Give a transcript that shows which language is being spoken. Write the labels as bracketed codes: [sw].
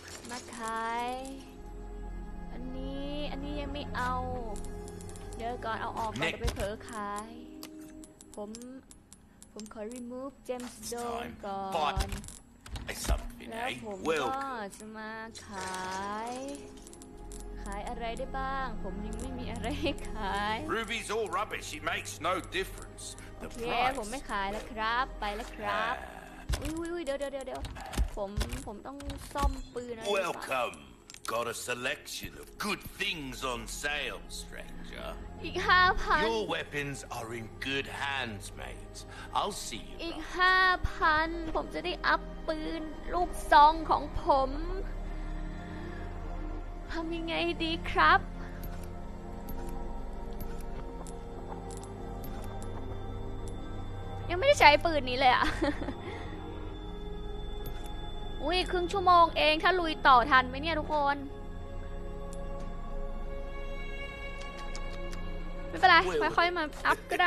[th] มาขายอันนี้ยังไม่เอาเดี๋ยวก่อนเอาออกก่อนจะไปเผลอขายผมขอ [en] remove gemstone [th] ก่อน ไอ้สัตว์พี่นาย แล้วผมก็จะมาขายอะไรได้บ้างผมยังไม่มีอะไรให้ขาย [en] Ruby's all rubbish it makes no difference the [th] price โอเคผมไม่ขายแล้วครับไปแล้วครับอุ๊ยๆๆเดี๋ยวผมต้องซ่อมปืนอะไร [en] WelcomeGot a selection of good things on sale, stranger. [th] อีก 5,000 [en] Your weapons are in good hands, mate. I'll see you. [th] อีก 5,000 ผมจะได้อัพปืนลูกซองของผมทำยังไงดีครับยังไม่ได้ใช้ปืนนี้เลยอ่ะอุ้ยครึ่งชั่วโมงเองถ้าลุยต่อทันไหมเนี่ยทุกคนไม่เป็นไรค่อยๆมาอัพก็ได